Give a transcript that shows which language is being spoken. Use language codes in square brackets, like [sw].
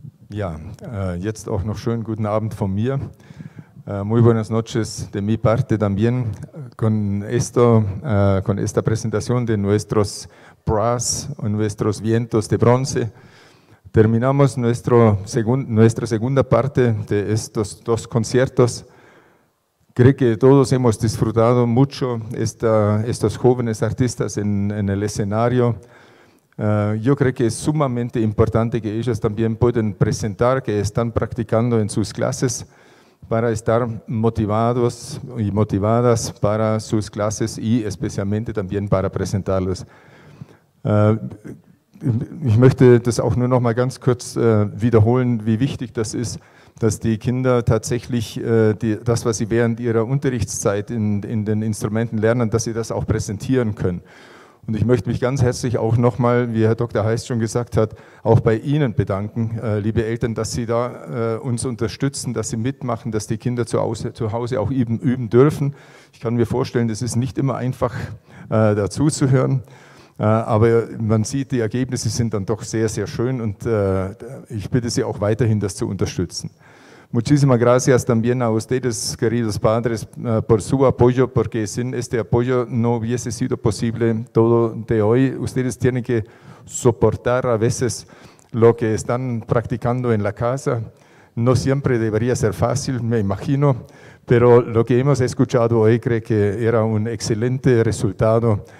[de] Ja, jetzt auch noch schönen guten Abend von mir. [es] Muy buenas noches de mi parte también con esto, con esta presentación de nuestros brass y nuestros vientos de bronce. Terminamos nuestra segunda parte de estos dos conciertos. Creo que todos hemos disfrutado mucho estos jóvenes artistas en el escenario. Yo creo que es sumamente importante que ellos también puedan presentar que están practicando en sus clases para estar motivados y motivadas para sus clases y especialmente también para presentarlos. [de] Ich möchte das auch nur noch mal ganz kurz wiederholen, wie wichtig das ist, dass die Kinder tatsächlich das, was sie während ihrer Unterrichtszeit in den Instrumenten lernen, dass sie das auch präsentieren können. Und ich möchte mich ganz herzlich auch nochmal, wie Herr Dr. Heiß schon gesagt hat, auch bei Ihnen bedanken, liebe Eltern, dass Sie da uns unterstützen, dass Sie mitmachen, dass die Kinder zu Hause auch eben üben dürfen. Ich kann mir vorstellen, das ist nicht immer einfach, dazu zu hören, aber man sieht, die Ergebnisse sind dann doch sehr, sehr schön und ich bitte Sie auch weiterhin, das zu unterstützen. [es] Muchísimas gracias también a ustedes, queridos padres, por su apoyo, porque sin este apoyo no hubiese sido posible todo de hoy. Ustedes tienen que soportar a veces lo que están practicando en la casa. No siempre debería ser fácil, me imagino, pero lo que hemos escuchado hoy creo que era un excelente resultado.